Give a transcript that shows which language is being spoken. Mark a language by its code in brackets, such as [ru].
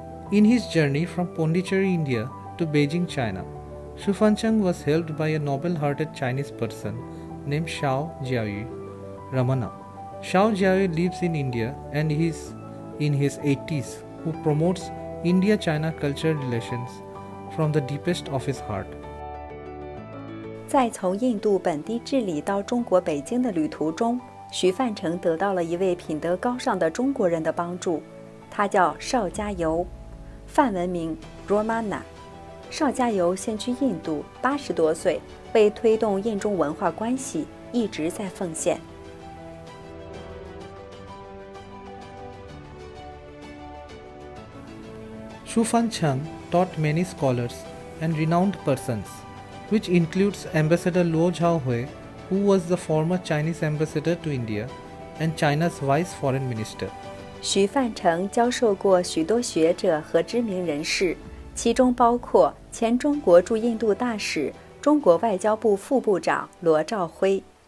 [en] In his journey from Pondicherry, India to Beijing, China, XuFancheng was helped by a noble-hearted Chinese person named Shao Jiayu Ramana. Shao Jiayu lives in India and is in his 80s, who promotes India-China cultural relations from the deepest of his heart. [zh] 在从印度本地治理到中国北京的旅途中，徐范成得到了一位品德高尚的中国人的帮助，他叫邵家游。梵文名 Romana， 邵家游现居印度，80多岁，为推动印中文化关系一直在奉献。 [en] XuFancheng taught many scholars and renowned persons, which includes Ambassador Luo Zhaohui, who was the former Chinese ambassador to India and China's vice foreign minister. [zh] 徐范成教授过许多学者和知名人士，其中包括前中国驻印度大使、中国外交部副部长罗兆辉。